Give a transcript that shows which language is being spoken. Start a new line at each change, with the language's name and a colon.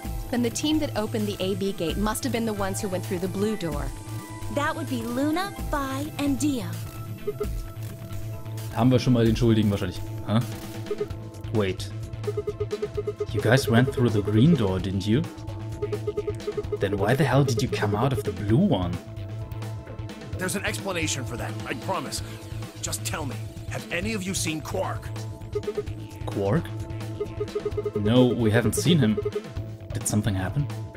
English: Then the team that opened the AB gate must have been the ones who went through the blue door. That would be Luna, Vi, and Dio.
German: Haben wir schon mal den Schuldigen wahrscheinlich, huh?
English: Wait. You guys went through the green door, didn't you? Then why the hell did you come out of the blue one? There's an explanation for that, I promise. Just tell me, have any of you seen Quark? Quark? No, we haven't seen him. Did something happen?